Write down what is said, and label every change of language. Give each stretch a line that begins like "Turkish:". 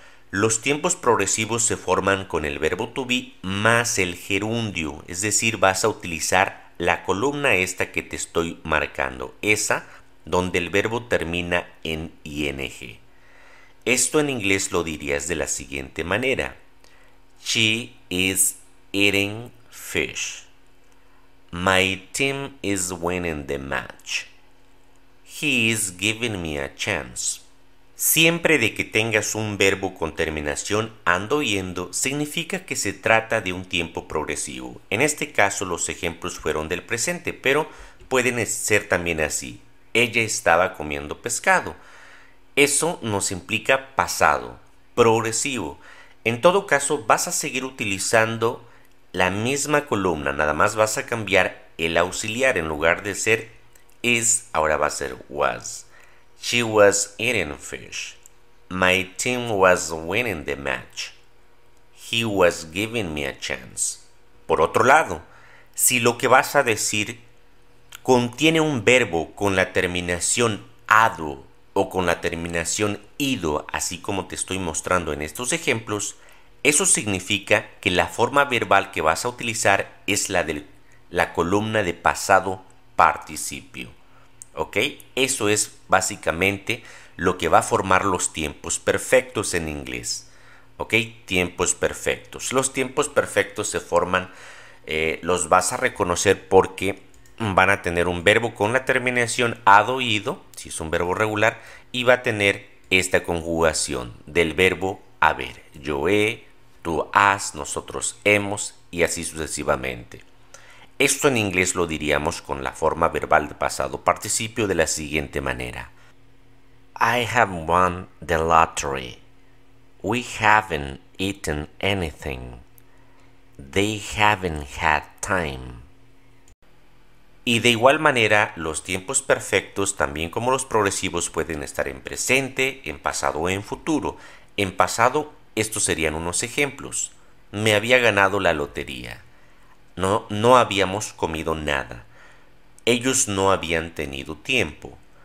Spanish: Los tiempos progresivos se forman con el verbo to be más el gerundio, es decir, vas a utilizar la columna esta que te estoy marcando, esa donde el verbo termina en ing. Esto en inglés lo dirías de la siguiente manera.
English: She is eating fish. My team is winning the match. He is giving me a chance.
Spanish: Siempre de que tengas un verbo con terminación ando yendo, significa que se trata de un tiempo progresivo. En este caso los ejemplos fueron del presente, pero pueden ser también así. Ella estaba comiendo pescado. Eso nos implica pasado, progresivo. En todo caso, vas a seguir utilizando la misma columna, nada más vas a cambiar el auxiliar. En lugar de ser is, ahora va a ser was.
English: She was eating fish. My team was winning the match. He was giving me a chance.
Spanish: Por otro lado, si lo que vas a decir contiene un verbo con la terminación ado o con la terminación ido, así como te estoy mostrando en estos ejemplos, eso significa que la forma verbal que vas a utilizar es la de la columna de pasado participio. ¿Ok? Eso es básicamente lo que va a formar los tiempos perfectos en inglés. ¿Ok? Tiempos perfectos. Los tiempos perfectos se forman, los vas a reconocer porque van a tener un verbo con la terminación ado ido, si es un verbo regular, y va a tener esta conjugación del verbo haber. Yo he, tú has, nosotros hemos, y así sucesivamente. Esto en inglés lo diríamos con la forma verbal de pasado participio de la siguiente manera.
English: I have won the lottery. We haven't eaten anything. They haven't had time.
Spanish: Y de igual manera, los tiempos perfectos, también como los progresivos, pueden estar en presente, en pasado o en futuro. En pasado, estos serían unos ejemplos. Me había ganado la lotería. No habíamos comido nada. Ellos no habían tenido tiempo.